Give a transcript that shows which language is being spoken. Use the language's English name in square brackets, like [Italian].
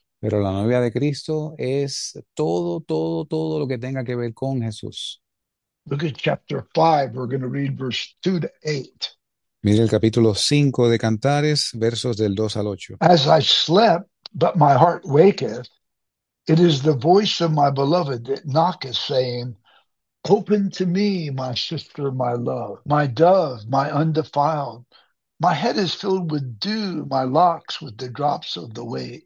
[Spanish] Pero la novia de Cristo es todo, todo, todo lo que tenga que ver con Jesús. [English] Look at chapter 5. We're going to read verse 2 to 8. [Spanish] Mire el capítulo 5 de Cantares, versos del 2 al 8. [English] As I slept, but my heart waketh, it is the voice of my beloved that knocketh, saying, Open to me, my sister, my love, my dove, my undefiled, My head is filled with dew, my locks with the drops of the way.